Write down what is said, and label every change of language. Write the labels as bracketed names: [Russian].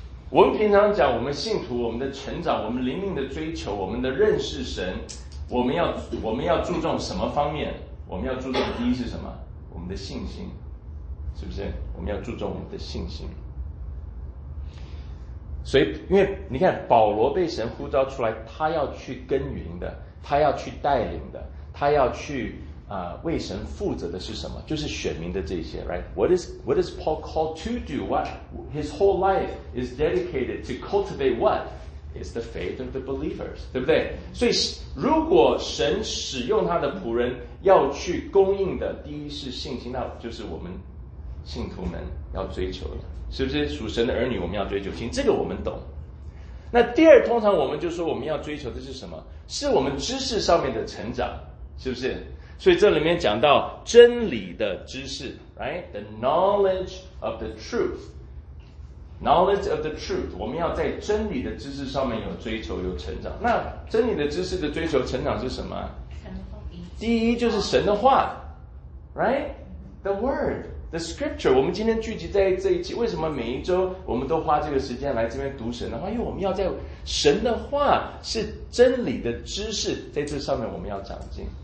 [Chinese] 我们平常讲我们信徒，我们的成长，我们灵命的追求，我们的认识神，我们要注重什么方面？我们要注重的第一是什么？我们的信心。是不是？我们要注重我们的信心。所以，因为你看，保罗被神呼召出来，他要去耕耘的，他要去带领的，他要去为神负责的是什么？就是选民的这些 [English] ，right? What is Paul called to do? What his whole life is dedicated to cultivate? What is the faith of the believers? [Chinese] 对不对？所以，如果神使用他的仆人要去供应的，第一是信心，那就是我们信徒们要追求的，是不是？属神的儿女，我们要追求信，这个我们懂。那第二，通常我们就说我们要追求的是什么？是我们知识上面的成长，是不是？所以这里面讲到真理的知识 ，right? [English] The knowledge of the truth, knowledge of the truth. [Chinese] 我们要在真理的知识上面有追求、有成长。那真理的知识的追求、成长是什么？第一就是神的话 ，right? [English] The word, the scripture. [Chinese] 我们今天聚集在这一起，为什么每一周我们都花这个时间来这边读神的话？因为我们要在神的话是真理的知识，在这上面我们要长进。